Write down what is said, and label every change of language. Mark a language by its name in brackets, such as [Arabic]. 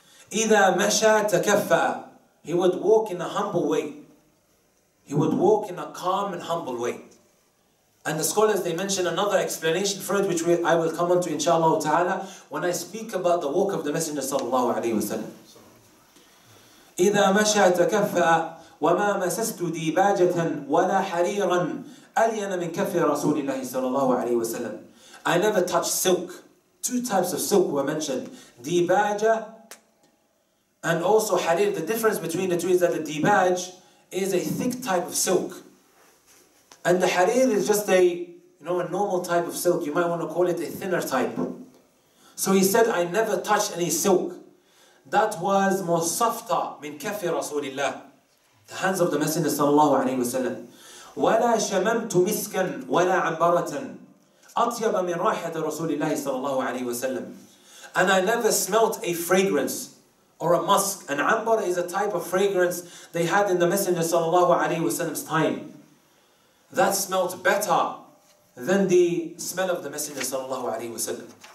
[Arabic] إِذَا مَشَى تَكَفَّأَ, [English] he would walk in a humble way. He would walk in a calm and humble way. And the scholars, they mention another explanation for it, which I will come on to inshallah ta'ala, when I speak about the walk of the Messenger sallallahu alayhi wa sallam. [Arabic] إِذَا مَشَى تَكَفَّأَ وَمَا مَسَسْتُ دِيبَاجَةً وَلَا حَرِيرًا أَلْيَنَ مِنْ كَفِّ رَسُولِ اللَّهِ sallallahu alayhi wa sallam. [English] I never touched silk. Two types of silk were mentioned. Dibaja and also harir. The difference between the two is that the dibaj is a thick type of silk, and the harir is just a, you know, a normal type of silk. You might want to call it a thinner type. So he said, I never touched any silk that was more softer [Arabic] min kafi rasulillah, [English] the hands of the Messenger sallallahu alayhi wa sallam. [Arabic] وَلَا شَمَمْتُ مِسْكًا وَلَا عَبَرَةً أَطْيَبَ مِنْ رَاحَةَ رَسُولِ اللَّهِ sallallahu alayhi wa sallam. [English] And I never smelt a fragrance or a musk. And ambar is a type of fragrance they had in the Messenger sallallahu alayhi wa sallam's time, that smelt better than the smell of the Messenger sallallahu alayhi wa sallam.